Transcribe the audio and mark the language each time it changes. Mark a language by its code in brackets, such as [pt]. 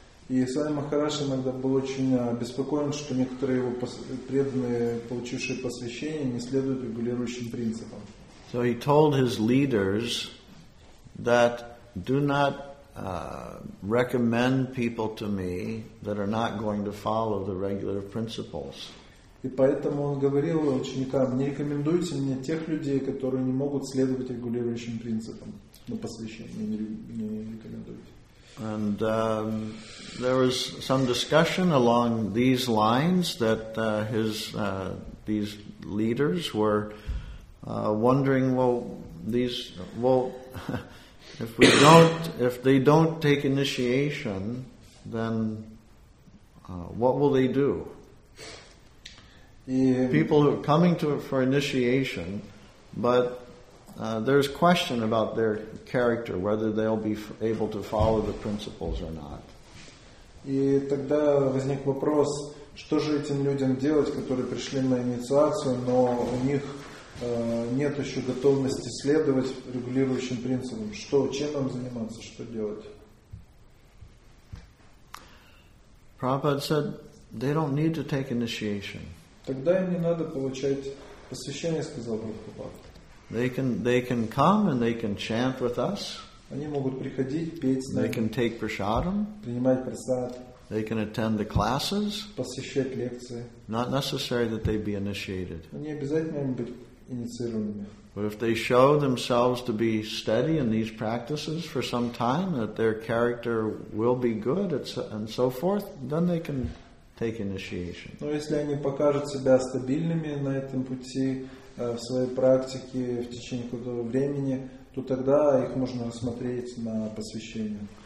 [ru] И Swami Maharaj иногда был очень обеспокоен, что некоторые его преданные, получившие посвящение, не следуют регулирующим принципам. [en] So he told his leaders that do not recommend people to me that are not going to follow the regular principles. [ru] И поэтому он говорил ученикам: не рекомендуйте мне тех людей, которые не могут следовать регулирующим принципам на посвящении. Не рекомендуйте. [en] And there was some discussion along these lines that these leaders were wondering, if they don't take initiation, then what will they do? People who are coming to it for initiation, but there's question about their character, whether they'll be able to follow the principles or not. [ru] И тогда возник вопрос, что же этим людям делать, которые пришли на инициацию, но у них нет еще готовности следовать регулирующим принципам. Что, чем нам заниматься, что делать? [en] Prabhupada said, they don't need to take initiation. [ru] Тогда им не надо получать посвящение, сказал Прабхупада. [en] They can come and they can chant with us. [ru] Они могут приходить, петь с нами. [en] They can take prasadam. [ru] Принимать прасад. [en] They can attend the classes. [ru] Посещать лекции. [en] Not necessary that they be initiated. [ru] Не обязательно им быть инициированными. [en] But if they show themselves to be steady in these practices for some time, that their character will be good, and so forth, then they can take initiation. [ru] Но если они покажут себя стабильными на этом пути в своей практике в течение какого-то времени, то тогда их можно рассмотреть на посвящение.